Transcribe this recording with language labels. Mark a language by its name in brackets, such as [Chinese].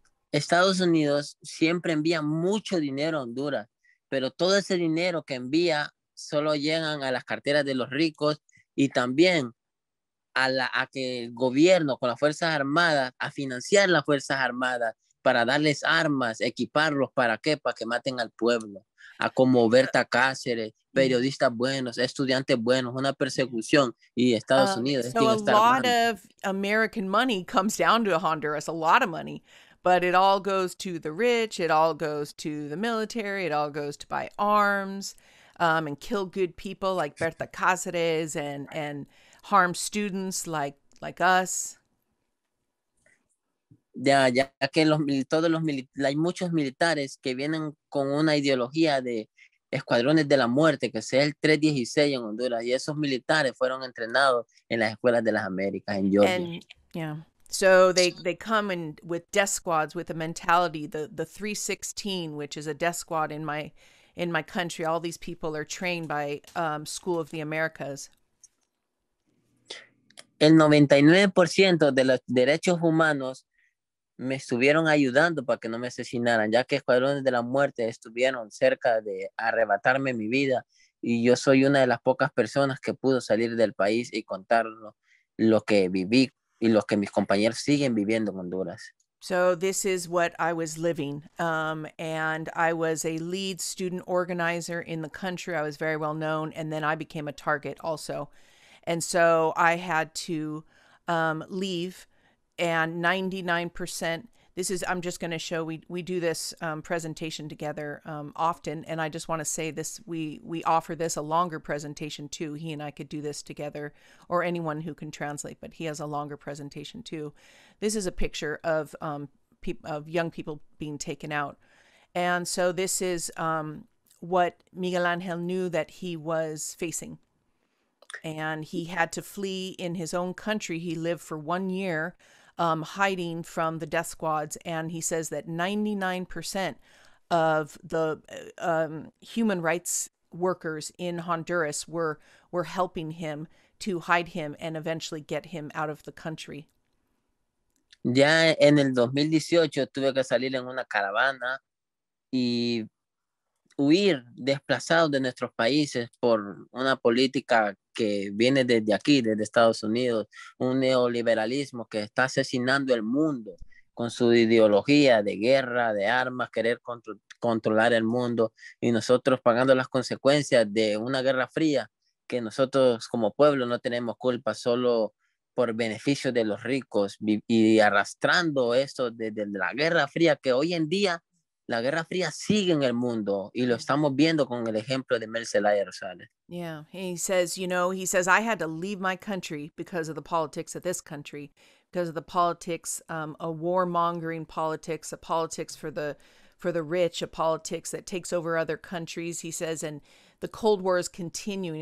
[Spanish] Estados Unidos siempre envía mucho dinero a Honduras, pero todo ese dinero que envía solo llegan a las carteras de los ricos y también a que el gobierno con las Fuerzas Armadas, a financiar las Fuerzas Armadas para darles armas, equiparlos, ¿para qué? Para que maten al pueblo. A como Berta Cáceres, periodistas buenos, estudiantes buenos, una persecución, y Estados Unidos. [English] So a lot armando. Of American money comes down to Honduras, a lot of money, but it all goes to the rich, it all goes to the military, it all goes to buy arms and kill good people like Berta Cáceres and harm students like us. [Spanish] Ya que hay muchos militares que vienen con una ideología de escuadrones de la muerte, que sea el 316 en Honduras, y esos militares fueron entrenados en las escuelas de las Américas, en Georgia. [English] So they come in with death squads, with a mentality, the 316, which is a death squad in my country. All these people are trained by School of the Americas. [Spanish] El 99% de los derechos humanos me estuvieron ayudando para que no me asesinaran, ya que escuadrones de la muerte estuvieron cerca de arrebatarme mi vida, y yo soy una de las pocas personas que pudo salir del país y contar lo que viví y lo que mis compañeros siguen viviendo en Honduras. [English] So this is what I was living, and I was a lead student organizer in the country. I was very well known, and then I became a target also, and so I had to leave. And 99%, this is, I'm just going to show, we do this presentation together often. And I just want to say this, we offer this a longer presentation too. He and I could do this together, or anyone who can translate, but he has a longer presentation too. This is a picture of young people being taken out. And so this is what Miguel Angel knew that he was facing. And he had to flee in his own country. He lived for 1 year. Hiding from the death squads, and he says that 99% of the human rights workers in Honduras were helping him to hide him and eventually get him out of the country. [Spanish] Ya en el 2018 tuve que salir en una caravana y huir desplazado de nuestros países por una política que viene desde aquí, desde Estados Unidos, un neoliberalismo que está asesinando el mundo con su ideología de guerra, de armas, querer controlar el mundo, y nosotros pagando las consecuencias de una guerra fría que nosotros como pueblo no tenemos culpa, solo por beneficio de los ricos, y arrastrando esto desde la guerra fría que hoy en día la Guerra Fría sigue en el mundo, y lo estamos viendo con el ejemplo de Mel Zelaya Rosales. [English] Yeah, he says, I had to leave my country because of the politics of this country, because of the politics, a warmongering politics, a politics for the rich, a politics that takes over other countries, he says, and the Cold War is continuing.